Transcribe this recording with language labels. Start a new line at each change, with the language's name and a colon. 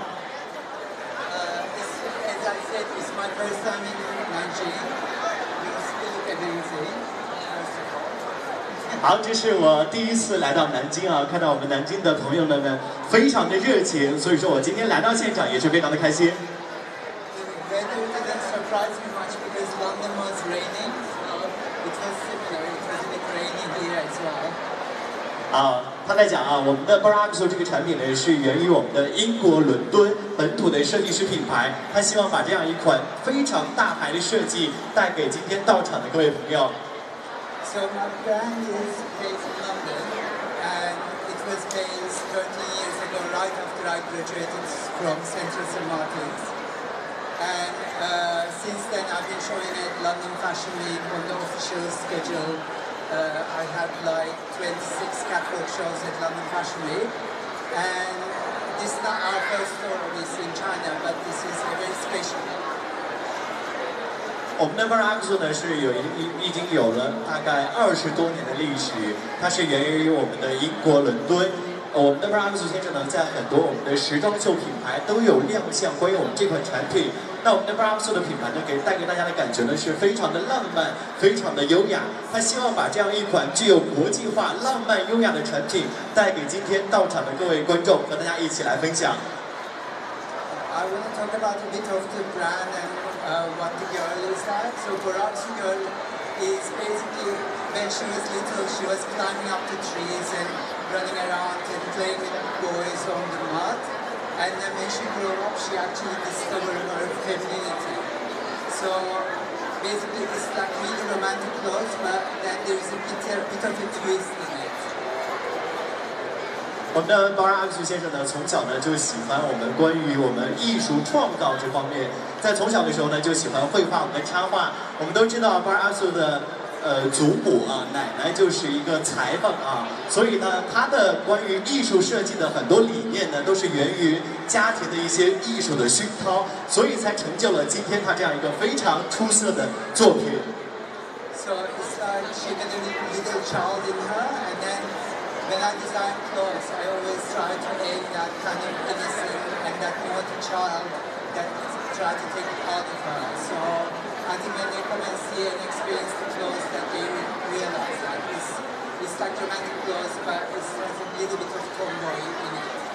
English: As I said, it's my first time in Nanjing. You still look amazing.
Chinese: 好，这是我第一次来到南京啊，看到我们南京的朋友们非常的热情，所以说我今天来到现场也是非常的开心。
English: The weather didn't surprise me much because London was raining, so it was similar. It was a bit rainy here as well.
Chinese: 他在讲啊，我们的 Burn Up 这个产品呢，是源于我们的英国伦敦本土的设计师品牌，他希望把这样一款非常大牌的设计带给今天到场的各位朋友。
English: So my brand is based in London, and it was based 13 years ago, right after I graduated from Central Saint Martins. And since then, I've been showing at London Fashion Week on the official schedule. I had like 26 catwalk shows at London Fashion Week, and this is not our first store obviously in China, but this is a very special one.
Chinese: 我们的 Burn Up 呢是已经有了大概20多年的历史，它是源于我们的英国伦敦。我们的 Burn Up 先生呢，在很多我们的时装秀品牌都有亮相，关于我们这款产品。那我们的 Burn Up 的品牌呢，带给大家的感觉呢，是非常的浪漫，非常的优雅。他希望把这样一款具有国际化、浪漫、优雅的产品，带给今天到场的各位观众，和大家一起来分享。
English: I want to talk about a bit of the brand and what the girl is like. So Burn Up girl is basically when she was little, she was climbing up the trees and running around and playing with boys on the mud. And then when she grew up, she actually discovered her femininity. So basically, it's like really romantic clothes, but then there is a bit of a twist in it.
Chinese: 我们的 Burn Up 先生呢，从小呢就喜欢我们关于我们艺术创造这方面，在从小的时候呢就喜欢绘画，我们插画。我们都知道 Burn Up 的祖母啊，奶奶就是一个裁缝啊，所以呢，他的关于艺术设计的很多理念呢，都是源于家庭的一些艺术的熏陶，所以才成就了今天他这样一个非常出色的作品。
English: So it's like she had a little child in her, and then. When I design clothes, I always try to aim that kind of innocent and that naughty child that tries to take it out of her. So I think when they come and see and experience the clothes, that they realize that it's like romantic clothes, but it's a little bit of tomboy in it.